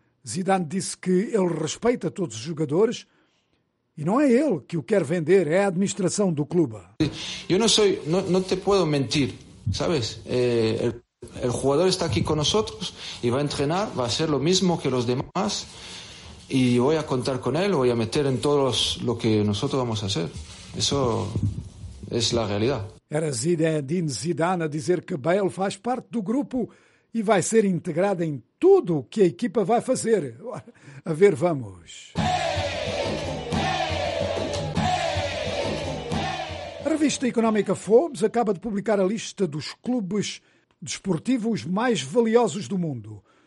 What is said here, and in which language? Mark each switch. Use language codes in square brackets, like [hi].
[pt] Zidane disse que ele respeita todos os jogadores e não é ele que o quer vender, é a administração do clube. Eu não sou, não te posso mentir, sabes? O jogador está aqui com nós e vai treinar, vai ser o mesmo que os demais. [es] Y voy a contar con él, voy a meter en todos lo que nosotros vamos a hacer. Eso es la realidad. [pt] Era Zinedine Zidane a dizer que Bale faz parte do grupo e vai ser integrado em tudo o que a equipa vai fazer. [es] A ver, vamos. [pt] A revista económica Forbes acaba de publicar a lista dos clubes desportivos mais valiosos do mundo.